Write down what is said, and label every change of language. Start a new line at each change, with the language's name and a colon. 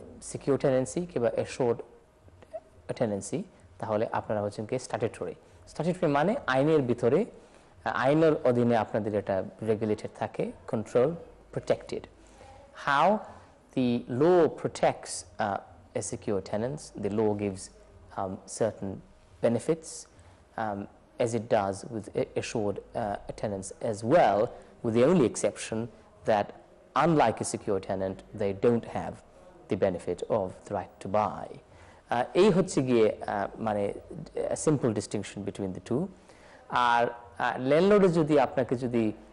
Bangla: Secure tenancy কিংবা অ্যাসোর্ড tenancy তাহলে আপনারা হচ্ছেন কি স্ট্যাটুটরি স্ট্যাটুটরি মানে আইনের ভিতরে আইনের অধীনে আপনাদের এটা রেগুলেটেড থাকে control protected how
English: The law protects secure tenants. The law gives certain benefits, as it does with assured tenants as well, with the only exception that, unlike a secure tenant, they don't have the benefit of the right to buy.
Bangla: এই হচ্ছে গিয়ে মানে
English: a simple distinction between the two.
Bangla: আর landlord যদি আপনাকে যদি